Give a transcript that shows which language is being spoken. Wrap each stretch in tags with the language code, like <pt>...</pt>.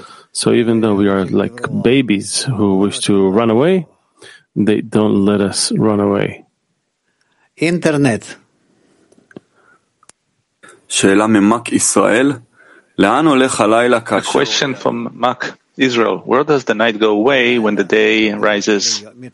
<en>So even though we are like babies who wish to run away, they don't let us run away. Internet.</en> <he>שאלה ממק ישראל, לאן הולך הלילה כאשר...</he> <en>A question from Mac Israel. Where does the night go away when the day rises?</en>